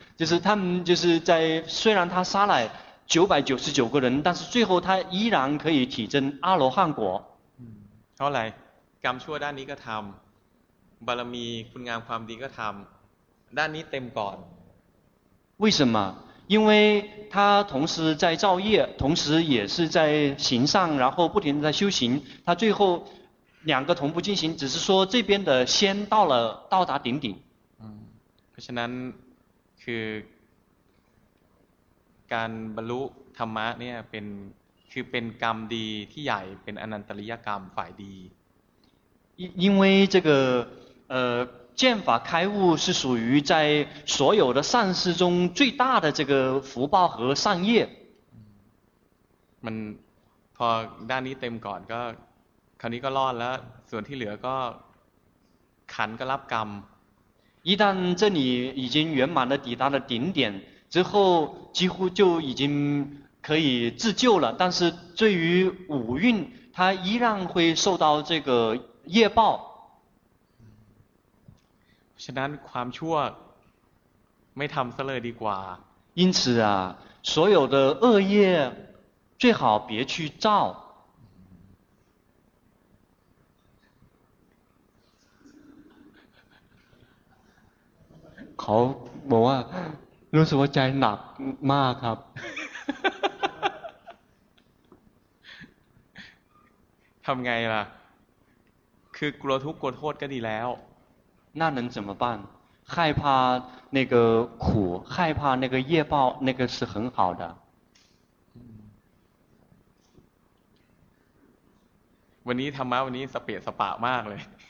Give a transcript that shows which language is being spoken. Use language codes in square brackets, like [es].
[zh] 就是他们就是在虽然他杀了999个人，但是最后他依然可以体证阿罗汉果。后来， [th] กรรมชั่วด้านนี้ก็ทำ，บารมีคุณงามความดีก็ทำ，ด้านนี้เต็มก่อน。 [zh] 为什么？因为他同时在造业，同时也是在行善，然后不停地在修行，他最后。两个同步进行，只是说这边的先到了到达顶顶。 [th] เพราะฉะนั้นคือการบรรลุธรรมะเนี่ยเป็นกรรมดีที่ใหญ่เป็นอนันตริยกรรมฝ่ายดี [zh] 因为这个见法开悟是属于在所有的善事中最大的这个福报和善业。 [th] มันพอด้านนี้เต็มก่อนก็คราวนี้ก็รอดแล้วส่วนที่เหลือก็ขันก็รับกรรม [zh] 一旦这里已经圆满的抵达了顶点之后几乎就已经可以自救了但是对于五蕴它依然会受到这个业报 [th] ฉะนั้นความชั่วไม่ทำซะเลยดีกว่า [zh] 因此啊所有的恶业最好别去造 [th] ขาบอกว่ารู้สึกว่าใจหนักมากครับ ทำไงล่ะคือกลัวทุกข์กลัวโทษก็ดีแล้ว น่านั้น [zh] 怎么办害怕那个苦害怕那个业报那个是很好的 [th] วันนี้ธรรมะวันนี้สเปะสปะมากเลย